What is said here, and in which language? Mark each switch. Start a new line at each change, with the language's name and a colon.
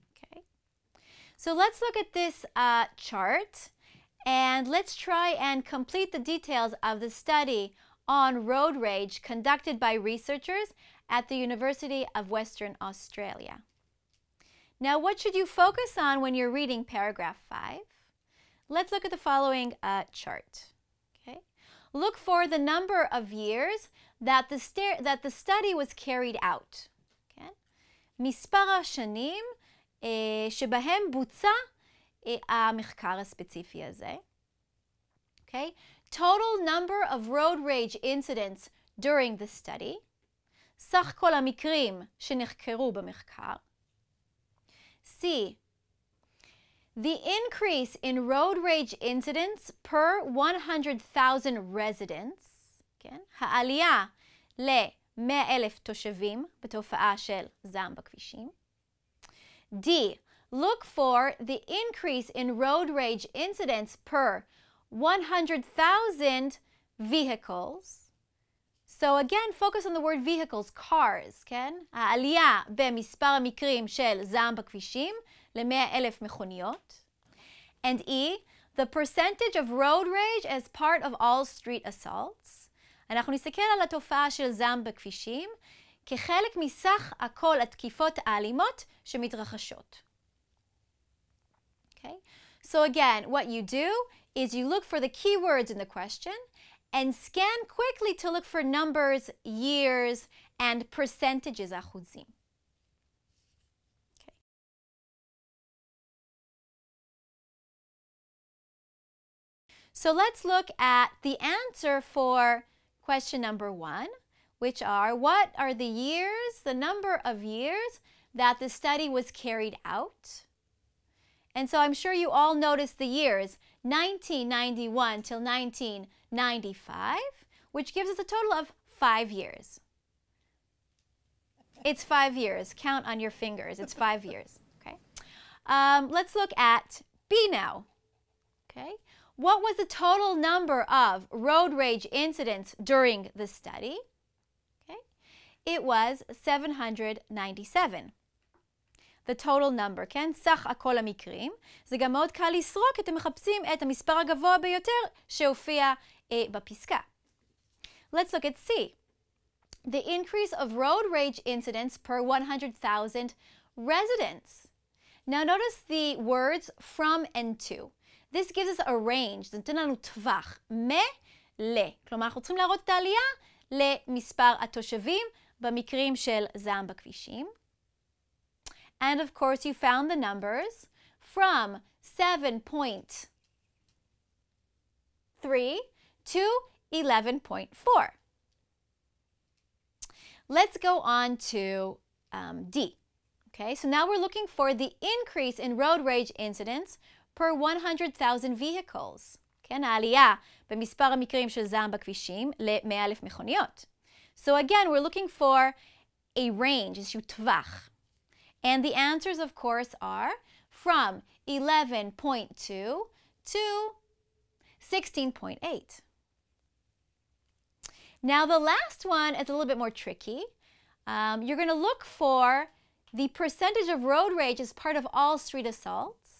English: Okay, so let's look at this chart and let's try and complete the details of the study on road rage conducted by researchers at the University of Western Australia. Now, what should you focus on when you're reading paragraph 5? Let's look at the following chart. Okay. Look for the number of years that the study was carried out. Okay.
Hebrew: מספר השנים שבהם בוצע המחקר הספציפי הזה.
English: Okay. Total number of road rage incidents during the study.
Hebrew: סך כל המקרים שנחקרו במחקר.
English: C. The increase in road rage incidents per 100,000 residents.
Hebrew: כן? העלייה ל-100,000 תושבים בתופעה של זעם בכבישים.
English: D. Look for the increase in road rage incidents per 100,000 vehicles. So again, focus on the word vehicles, cars, כן?
Hebrew: העלייה במספר המקרים של זעם בכבישים ל-100,000 מכוניות.
English: And E, the percentage of road rage as part of all street assaults.
Hebrew: אנחנו נסתכל על התופעה של זעם בכבישים כחלק מסך הכל התקיפות האלימות שמתרחשות.
English: Okay? So again, what you do is you look for the keywords in the question and scan quickly to look for numbers, years, and percentages, אחוזים. Okay. So let's look at the answer for question number one, which are, what are the years, the number of years, that the study was carried out? And so I'm sure you all noticed the years, 1991 till 1995, which gives us a total of 5 years. It's 5 years. Count on your fingers. It's 5 years. Okay. Let's look at B now. Okay. What was the total number of road rage incidents during the study? Okay. It was 797. The total number, כן?
Hebrew: סך הכל המקרים. זה גם מאוד קל לסרוק, אתם מחפשים את המספר הגבוה ביותר שהופיע בפסקה.
English: Let's look at C. The increase of road rage incidents per 100,000 residents. Now notice the words from and to. This gives us a range,
Hebrew: זה נותן לנו טווח, מ-ל. כלומר, אנחנו צריכים להראות את העלייה למספר התושבים במקרים של זעם בכבישים.
English: And of course, you found the numbers from 7.3 to 11.4. Let's go on to D. Okay, so now we're looking for the increase in road rage incidents per 100,000 vehicles.
Hebrew: כן, העלייה במספר המקרים של זעם בכבישים ל-100,000 מכוניות.
English: So again, we're looking for a range,
Hebrew: איזשהו טווח.
English: And the answers, of course, are from 11.2 to 16.8. Now, the last one is a little bit more tricky. You're going to look for the percentage of road rage as part of all street assaults.